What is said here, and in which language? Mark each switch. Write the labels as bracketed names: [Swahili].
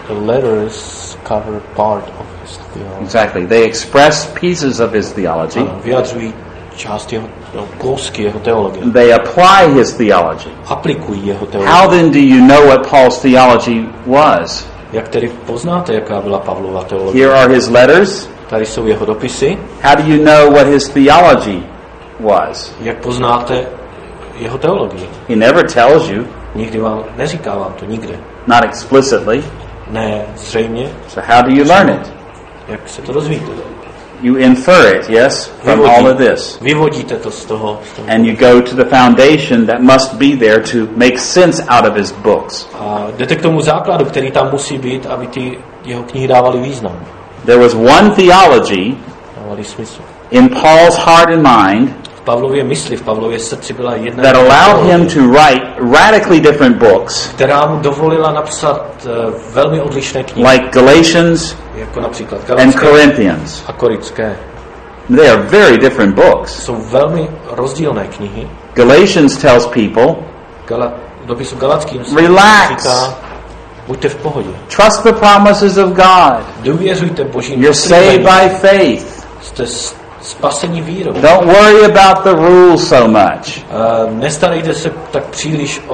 [English] The letters cover part of his theology. Exactly. They express pieces of his theology. [Czech] Vyjadřují část jeho, no, kousky jeho teologie. [English] They apply his theology. [Czech] Aplikují jeho teologii. [English] How then do you know what Paul's theology was? [Czech] Jak tedy poznáte, jaká byla Pavlova teologie? [English] Here are his letters. [Czech] Tady jsou jeho dopisy. [English] How do you know what his theology was? [Czech] Jak poznáte jeho teologii? [English] He never tells you. [Czech] Nikdy vám neříká vám to nikde. [English] Not explicitly. [Czech] Ne, zřejmě. [English] So how do you learn it? [Czech] Jak se to dozvíte? [English] You infer it, yes, from [Czech] vyvodíte, [English] all of this. [Czech] Vyvodíte to z toho. [English] And you go to the foundation that must be there to make sense out of his books. [Czech] A jdete k tomu základu, který tam musí být, aby ty jeho knihy dávaly význam. [English] There was one theology in Paul's heart and mind [Czech] v Pavlově mysli, v Pavlově srdci byla jedna [English] that allowed him to write radically different books, [Czech] která mu dovolila napsat velmi odlišné knihy, [English] like Galatians [Czech] jako například [English] Galatské and Corinthians. [Czech] A Korintské. [English] They are very different books. [Czech] Jsou velmi rozdílné knihy. [English] Galatians tells people, [Czech] dopisu Galackým [English] se relax. [Czech] Buďte v pohodě. [English] Trust the promises of God. [Czech] Důvěřujte Božím [English] slovům. You're saved by faith. [Czech] Jste spasení vírou. [English] Don't worry about the rules so much. [Czech] Nestarejte se tak příliš o